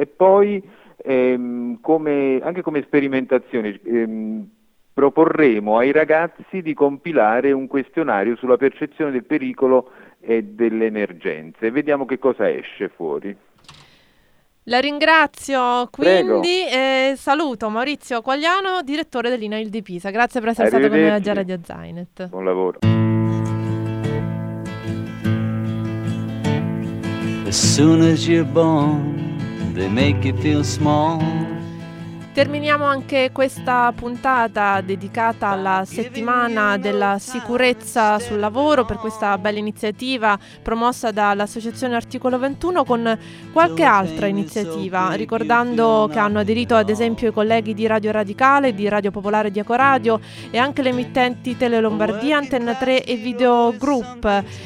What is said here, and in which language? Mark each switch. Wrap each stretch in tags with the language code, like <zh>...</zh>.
<it>E poi come sperimentazione proporremo ai ragazzi di compilare un questionario sulla percezione del pericolo e delle emergenze. Vediamo che cosa esce fuori. La ringrazio, quindi saluto Maurizio Quagliano, direttore dell'INAIL di Pisa. Grazie per essere stato con noi oggi a Radio Zainet. Buon lavoro.</it> <en>As soon as you're born, they make you feel small.</en> <it>Terminiamo anche questa puntata dedicata alla settimana della sicurezza sul lavoro per questa bella iniziativa promossa dall'associazione Articolo 21 con qualche altra iniziativa, ricordando che hanno aderito ad esempio i colleghi di Radio Radicale, di Radio Popolare, di Ecoradio e anche le emittenti Tele Lombardia, Antenna 3 e Video Group.</it>